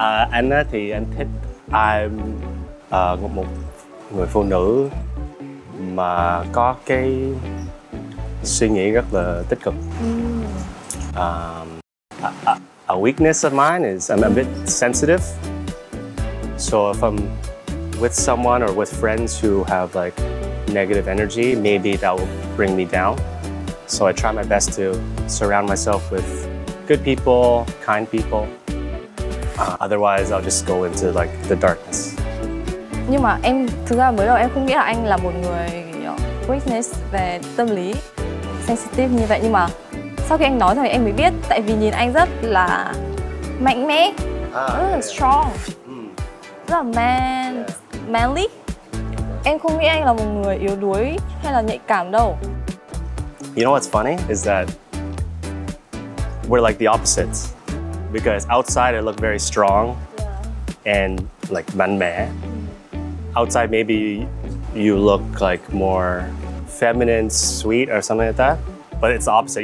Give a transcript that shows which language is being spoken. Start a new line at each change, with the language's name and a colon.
Vietnamese: Anh thì anh thích I'm một người phụ nữ mà có cái suy nghĩ rất là tích cực.
English: A weakness of mine is I'm a bit sensitive. So if I'm with someone or with friends who have like negative energy, maybe that will bring me down. So I try my best to surround myself with good people, kind people. Otherwise, I'll just go into like the darkness.
Vietnamese: Nhưng mà em thực ra mới đầu em không nghĩ là anh là một người weakness về tâm lý. Sensitive như vậy, nhưng mà sau khi anh nói rồi em mới biết, tại vì nhìn anh rất là mạnh mẽ, strong, rất là man, manly. Em không nghĩ anh là một người yếu đuối hay là nhạy cảm đâu.
English: You know what's funny is that we're like the opposites, because outside I look very strong and like man mẽ. Outside maybe you look like more feminine, sweet, or something like that. But it's the opposite.